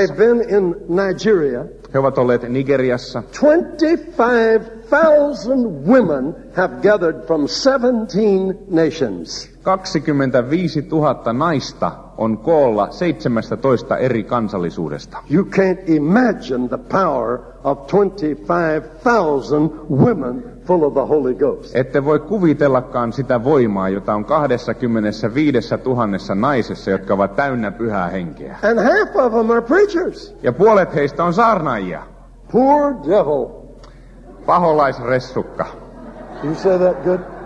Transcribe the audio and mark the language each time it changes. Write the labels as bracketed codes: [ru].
[en] They've been in Nigeria. [fi] He ovat olleet Nigeriassa. [en] 25,000 women have gathered from 17 nations. [fi] 25 000 naista on koolla 17 eri kansallisuudesta. [en] You can't imagine the power of 25,000 women full of the Holy Ghost. [fi] Ette voi kuvitellakaan sitä voimaa, jota on 25 000 naisessa, jotka ovat täynnä pyhää henkeä. [en] And half of them are preachers. [fi] Ja puolet heistä on saarnaajia. [en] Poor devil. [fi] Paholaisressukka. [en] You say that good?